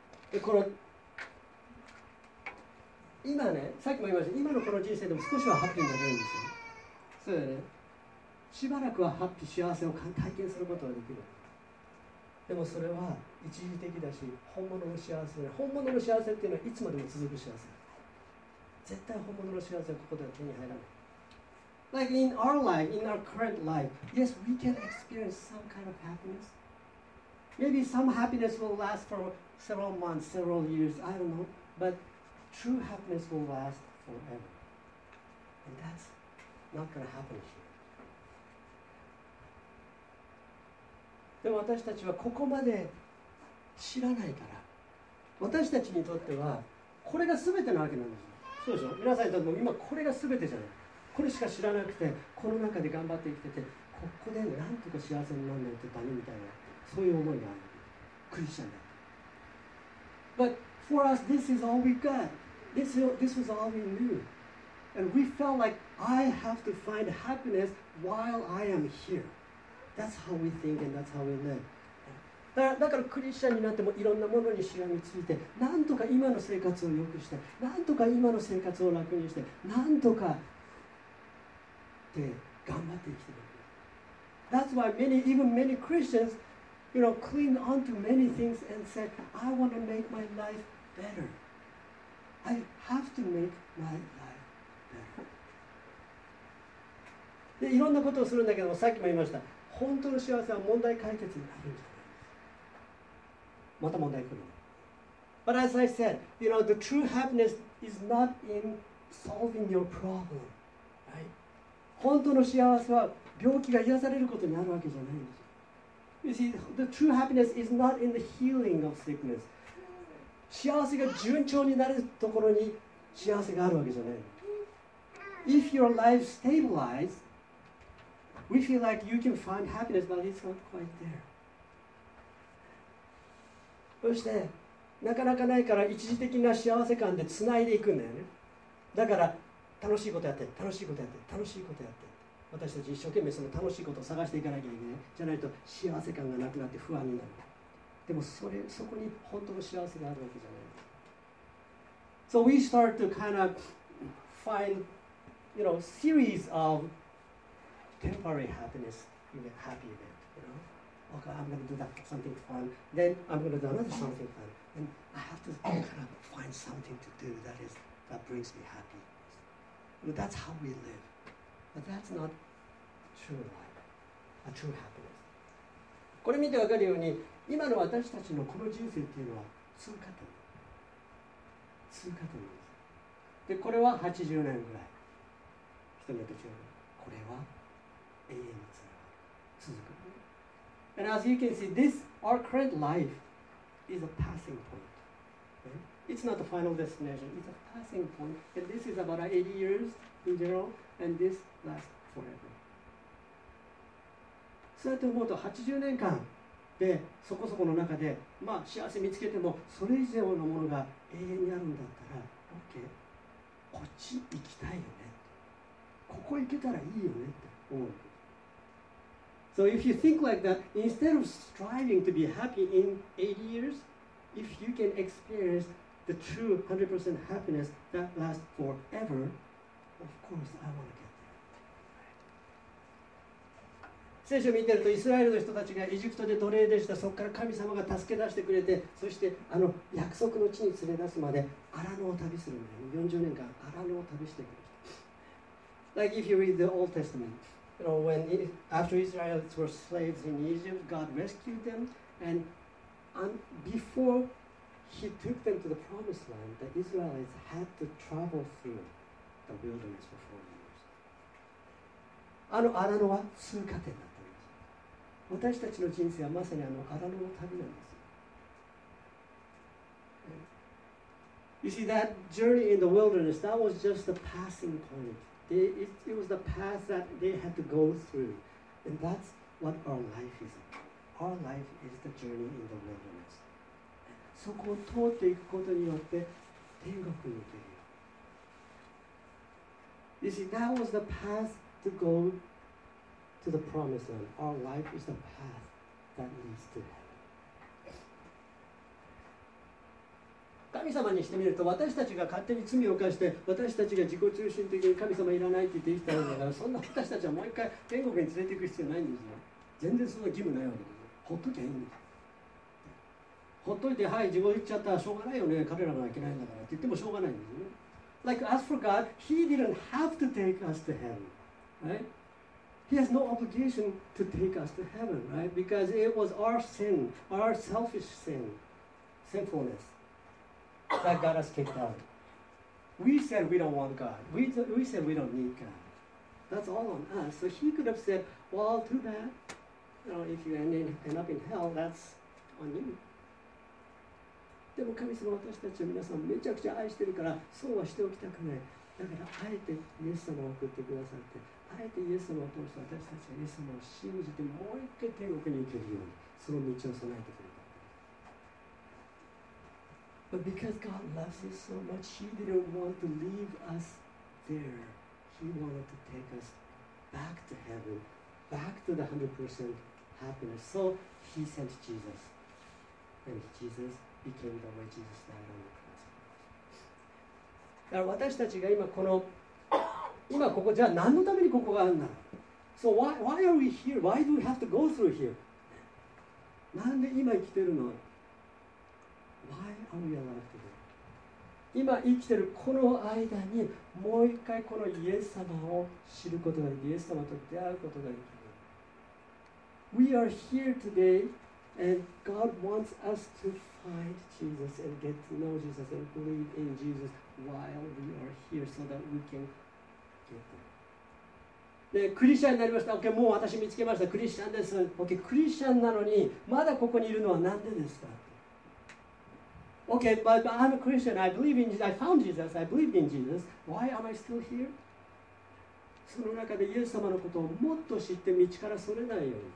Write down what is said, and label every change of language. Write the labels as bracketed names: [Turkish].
[Japanese] でこの今ね、さっきも言いました、今のこの人生でも少しはハッピーになれるんですよ。そうよね。しばらくはハッピー、幸せを体験することができる。でもそれは一時的だし、本物の幸せ、本物の幸せっていうのはいつまでも続く幸せ。絶対本物の幸せはここでは手に入らない。 [English] Like in our life, in our current life, yes, we can experience some kind of happiness. Maybe some happiness will last for several months, several years, I don't know. But true happiness will last forever. And that's not going to happen here. [Japanese] でも私たちはここまで知らないから、私たちにとってはこれが全てなわけなんですよ。そうでしょ？皆さんにとっても今これが全てじゃない。これしか知らなくて、この中で頑張って生きてて、ここでなんとか幸せになんないとダメみたいな。そういう思いがある。クリスチャンだ。 [English] But for us, this is all we got. This was all we knew. And we felt like I have to find happiness while I am here. That's how we think and that's how we live. [Japanese] だからクリスチャンになってもいろんなものにしがみついて、なんとか今の生活を良くして、なんとか今の生活を楽にして、なんとかって頑張って生きてる。 [English] That's why even many Christians,You know, cling on to many things and say, I want to make my life better. I have to make my life better. [Japanese] で、いろんなことをするんだけども、さっきも言いました。本当の幸せは問題解決になるんじゃないですか。また問題来るの。 [English] But as I said, you know, the true happiness is not in solving your problem. Right? [Japanese] 本当の幸せは病気が癒されることにあるわけじゃないんですよ。 [English] You see, the true happiness is not in the healing of sickness. [Japanese] 幸せが順調になるところに幸せがあるわけじゃない。 [English] If your life stabilizes, we feel like you can find happiness, but it's not quite there. [Japanese] そして、なかなかないから一時的な幸せ感でつないでいくんだよね。だから、楽しいことやって、楽しいことやって、楽しいことやって。私たち一生懸命その楽しいことを探していかなきゃいけない。じゃないと幸せ感がなくなって不安になる。でもそこに本当の幸せがあるわけじゃない。 [English] So we start to kind of find, you know, series of temporary happiness, happy event, you know? Okay, I'm going to do that something fun. Then I'm going to do another something fun. And I have to kind of find something to do that brings me happy. But that's how we live. But that's not true life, a true happiness. [Japanese] これ見てわかるように、今の私たちのこの人生っていうのは通過点。通過点です。で、これは80年ぐらい。人によって違う。これは永遠につながる。続く。 [English] And as you can see, this, our current life, is a passing point.、Okay? It's not the final destination, it's a passing point. And this is about 80 years in general. And this lasts forever. [Japanese] そうやって思うと80年間でそこそこの中で、まあ、幸せ見つけてもそれ以上のものが永遠にあるんだったら OK こっち行きたいよねここ行けたらいいよねって思う [English] So if you think like that instead of striving to be happy in 80 years if you can experience the true 100% happiness that lasts foreverOf course, I want to get there. [Japanese] 聖書を見てるとイスラエルの人たちがエジプトで奴隷でしたそこから神様が助け出してくれてそしてあの約束の地に連れ出すまでアラノを旅するんだよ40年間アラノを旅してくれた [English] Like if you read the Old Testament you know, when after Israelites were slaves in Egypt God rescued them and before he took them to the promised land the Israelites had to travel throughThe wilderness for 40 years. [Japanese] あのアラノは通過点だったんです。私たちの人生はまさにあのアラノの旅なんです。 [English] You see, that journey in the wilderness, that was just a passing point. It was the path that they had to go through. And that's what our life is. Our life is the journey in the wilderness. [Japanese] そこを通っていくことによって天国に行ける。 [English] You see, that was the path to go to the promised land. Our life is the path that leads to heaven. [Japanese] 神様にしてみると私たちが勝手に罪を犯して私たちが自己中心的に神様いらないって言ってきたんだからそんな私たちはもう一回天国に連れていく必要ないんですよ。全然そんな義務ないわけです。ほっときゃいいんです。ほっといてはい自分行っちゃったらしょうがないよね彼らがいけないんだからって言ってもしょうがないんですよ。 [English] Like as for God, He didn't have to take us to heaven, right? He has no obligation to take us to heaven, right? Because it was our sin, our selfish sin, sinfulness. That got us kicked out. We said we don't want God. We said we don't need God. That's all on us. So he could have said, well, too bad. You know, if you end up in hell, that's on you. [Japanese] でも神様私たちは皆さんめちゃくちゃ愛してるからそうはしておきたくない。だからあえてイエス様を送ってくださって、あえてイエス様を通して私たちはイエス様を信じてもう一回天国に行けるようにその道を備えてくれる。 [English] But because God loves us so much, He didn't want to leave us there. He wanted to take us back to heaven, back to the 100% happiness. So He sent Jesus. And Jesus became the way Jesus died on the cross. [Japanese] だから私たちが今ここ、じゃあ何のためにここがあるんだ? [English] So why are we here? Why do we have to go through here? [Japanese] なんで今生きてるの? [English] Why are we alive today? [Japanese] 今生きているこの間にもう一回このイエス様を知ることができる、イエス様と出会うことができる。 [English] We are here today and God wants us to find Jesus and get to know Jesus and believe in Jesus while we are here so that we can get there. [Japanese] でクリスチャンになりました。OK、もう私見つけました。クリスチャンです。OK、クリスチャンなのにまだここにいるのはなんでですか? [English] Okay, but I'm a Christian. I believe in Jesus. I found Jesus. I believe in Jesus. Why am I still here? [Japanese] その中でイエス様のことをもっと知って道からそれないように。